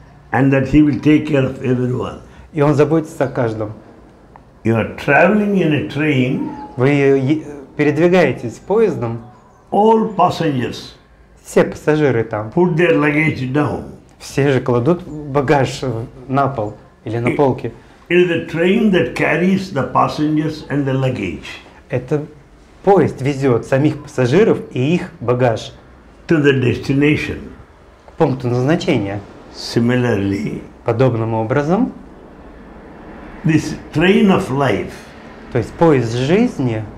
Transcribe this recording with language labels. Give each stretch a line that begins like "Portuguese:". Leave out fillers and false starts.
English: And that he will take care of everyone.
Russian: И он заботится о каждом.
English: You are traveling in a train.
Russian: Вы передвигаетесь поездом.
English: All passengers.
Russian: Все пассажиры там.
English: Put their luggage down.
Russian: Все же кладут багаж на пол или на полки.
English: It is the train that carries the passengers and the luggage.
Russian: Это поезд везет самих пассажиров и их багаж.
English: To the destination.
Russian: К пункту назначения.
English: Similarly.
Russian: Подобным образом.
English: This train of life.
Russian: То есть поезд жизни.